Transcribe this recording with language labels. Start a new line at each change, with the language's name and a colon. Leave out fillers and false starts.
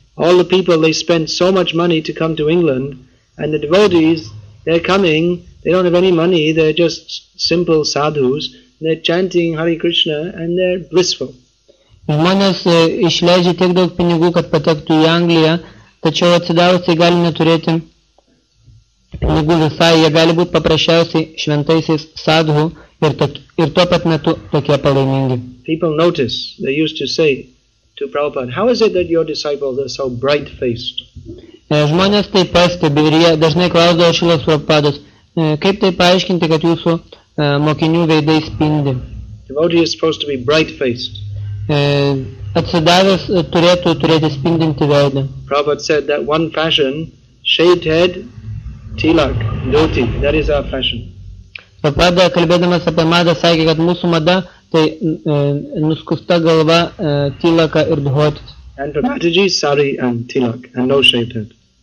English: All the people, they spend so much money to come to England, and the devotees, they're coming, they don't have any money, they're just simple sadhus. They're chanting Hare Krishna and they're blissful.
Lithuanian: Žmonės išleidžia tiek daug pinigų, kad patektų į Angliją, tačiau atsidavusiai gali neturėti pinigų visai, jie gali būti paprasčiausiai šventaisiais sadhu ir tuo pat metu tokie palaimingi.
English: People notice, they used to say to Prabhupada, how is it that your disciples are so bright-faced?
Lithuanian: Žmonės tai pastebi ir jie dažnai klausdavo Šilos Prabhupados, kaip tai paaiškinti, kad jūsų mokinių veidai spindi.
English: Devotee is supposed to be bright-faced.
Lithuanian: Atsidavęs turėtų turėti spindinti veidą.
English: Prabhupada said that one fashion, shaved head, tilak, dhoti, that is our fashion.
Lithuanian: Prabhupada, kalbėdamas apie madą, sakė, kad mūsų mada, tai nuskusta galva, tilaka ir dhoti.
English: And for Mataji, sari and tilak, and no shaved head.